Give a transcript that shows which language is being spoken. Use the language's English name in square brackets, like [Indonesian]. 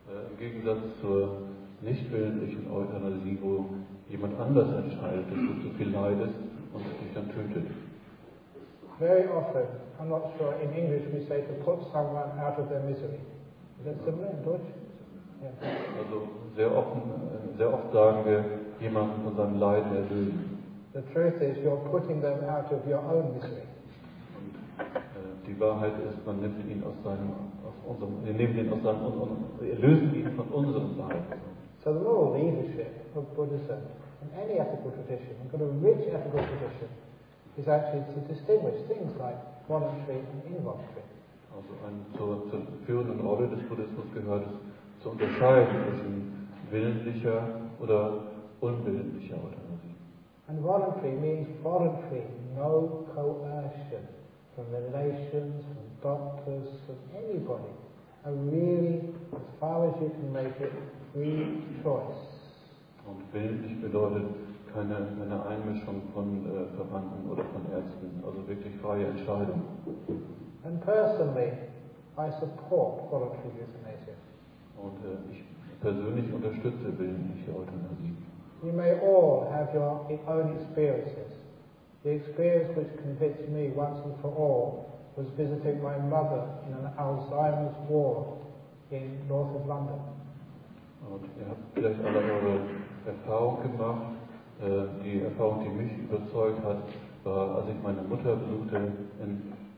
[German] Im Gegensatz zur nicht willentlichen Euthanasie, wo jemand anders entscheidet, dass du zu viel leidest und dich dann tötet. [English] Very often, I'm not sure in English we say to put someone out of their misery. Is that similar in Deutsch? Yeah. [German] Also sehr oft sagen wir, jemanden von seinem Leiden erlösen. [English] The truth is, you're putting them out of your own misery. [German] Und die Wahrheit ist, man nimmt ihn aus seinem, aus unserem, wir nehmen ihn aus seinem, wir lösen ihn von unserem Wahrheit. [English] So the law of the leadership of Buddhism in any ethical tradition, and got a rich ethical tradition, is actually to distinguish things like voluntary and involuntary. [German] Also ein, zur führenden Rolle des Buddhismus gehört es, zu unterscheiden zwischen willentlicher oder unwillentlicher Autonomie. [English] And voluntary means voluntary, no coercion from relations, from doctors, from anybody. A really, as far as you can make it, free choice. [German] Und willentlich bedeutet keine Einmischung von Verwandten oder von Ärzten, also wirklich freie Entscheidung. [English] And personally, I support voluntary euthanasia. [German] Und ich persönlich unterstütze willentliche Euthanasie. [English] You may all have your own experiences. The experience which convinced me once and for all was visiting my mother in an Alzheimer's ward in north of London. [German] Und ihr habt vielleicht alle eure Erfahrung gemacht. Die Erfahrung, die mich überzeugt hat, war, als ich meine Mutter besuchte in